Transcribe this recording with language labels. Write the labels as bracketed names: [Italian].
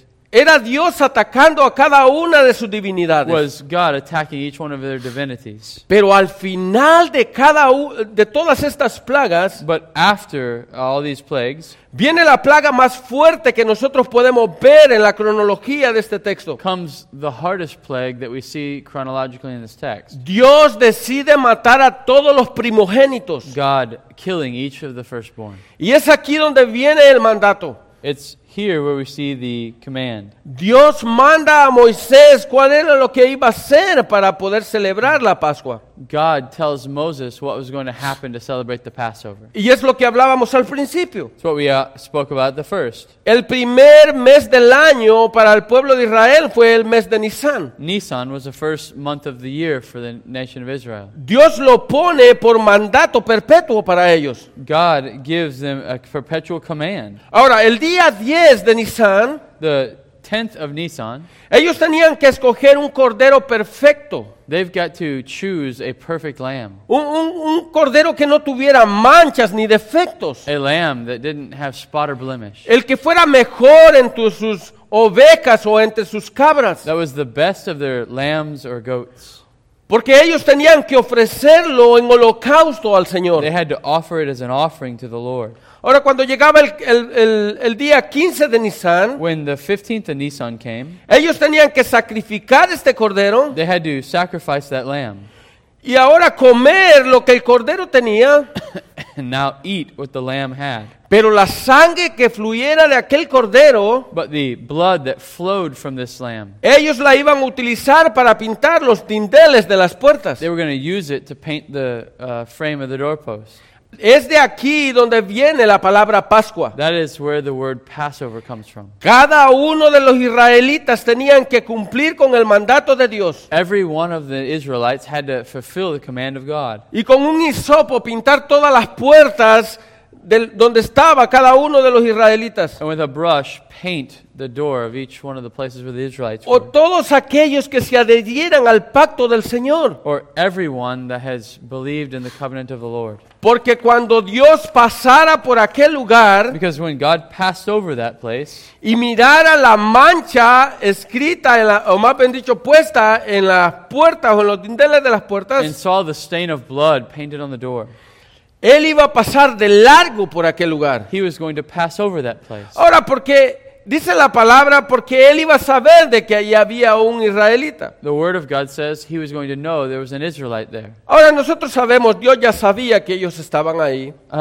[Spanish] Era Dios atacando a cada una de sus divinidades. [English] Was God attacking each one of their divinities. [Spanish] Pero al final de cada de todas estas plagas, [English] but after all these plagues, [Spanish] viene la plaga más fuerte que nosotros podemos ver en la cronología de este texto. [English] Comes the hardest plague that we see chronologically in this text. [Spanish] Dios decide matar a todos los primogénitos. [English] God killing each of the firstborn. [Spanish] Y es aquí donde viene el mandato. [English] It's here where we see the command. [Spanish] Dios manda a Moisés cuál era lo que iba a hacer para poder celebrar la Pascua. [English] God tells Moses what was going to happen to celebrate the Passover. [Spanish] Y es lo que hablábamos al principio. [English] It's what we spoke about the first. [Spanish] El primer mes del año para el pueblo de Israel fue el mes de Nisan. [English] Nisan was the first month of the year for the nation of Israel. [Spanish] Dios lo pone por mandato perpetuo para ellos. [English] God gives them a perpetual command. [Spanish] Ahora, el día 10 de Nisan, [English] the 10th of Nisan, [Spanish] ellos tenían que escoger un cordero perfecto. [English] They've got to choose a perfect lamb. [Spanish] Un cordero que no tuviera manchas ni defectos. [English] A lamb that didn't have spot or blemish. [Spanish] El que fuera mejor entre sus ovejas o entre sus cabras. [English] That was the best of their lambs or goats. [Spanish] Porque ellos tenían que ofrecerlo en holocausto al Señor. [English] They had to offer it as an offering to the Lord. [Spanish] Ahora cuando llegaba el día 15 de Nisan, [English] when the 15th of Nisan came, [Spanish] ellos tenían que sacrificar este cordero. [English] They had to sacrifice that lamb. [Spanish] Y ahora comer lo que el cordero tenía. [English] And now eat what the lamb had. [Spanish] Pero la sangre que fluyera de aquel cordero, [English] but the blood that flowed from this lamb, [Spanish] ellos la iban a utilizar para pintar los dinteles de las puertas. [English] They were going to use it to paint the frame of the doorpost. [Spanish] Es de aquí donde viene la palabra Pascua. [English] That is where the word Passover comes from. [Spanish] Cada uno de los israelitas tenían que cumplir con el mandato de Dios. [English] Every one of the Israelites had to fulfill the command of God. [Spanish] Y con un hisopo pintar todas las puertas del donde estaba cada uno de los israelitas. [English] And with a brush paint the door of each one of the places where the Israelites were. [Spanish] O todos aquellos que se adhieran al pacto del Señor. [English] Or everyone that has believed in the covenant of the Lord. [Spanish] Porque cuando Dios pasara por aquel lugar, [English] because when God passed over that place, [Spanish] y mirara la mancha escrita en la, o más bien dicho puesta en las puertas o en los dinteles de las puertas, [English] and saw the stain of blood painted on the door, [Spanish] él iba a pasar de largo por aquel lugar. [English] He was going to pass over that place. [Spanish] Ahora, porque dice la palabra, porque él iba a saber de que allí había un israelita. [English] The word of God says he was going to know there was an Israelite there. [Spanish] Ahora, nosotros sabemos, Dios ya sabía que ellos estaban ahí.